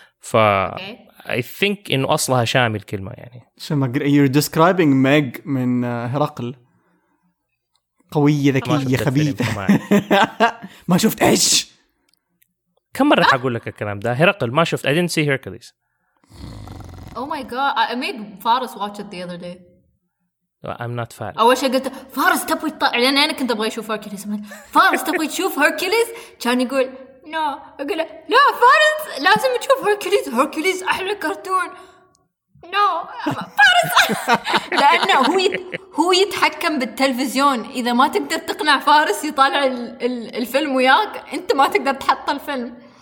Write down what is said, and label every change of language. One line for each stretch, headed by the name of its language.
Arabic: ف
English: okay. I think
Arabic: انه اصلها شامل كلمة يعني
English: you're describing
Arabic: Meg من هرقل قوية ذكية خبيثة. ما شفت ايش كم مرة حقول لك الكلام ده هرقل ما شفت
English: I didn't see Hercules. Oh my god I made فارس watch it the other day. I'm not فارس.
Arabic: أول شيء قلت فارس تبغي لأن أنا كنت أبغى أشوف هيركليس. فارس تبغي تشوف هيركليس كان يقول
English: no.
Arabic: أقول لا فارس لازم تشوف هيركليس هيركليس أحلى كرتون
English: no
Arabic: فارس. لأنه هو يتحكم بالتلفزيون إذا ما تقدر تقنع فارس يطالع الفيلم وياك أنت ما تقدر تحط الفيلم.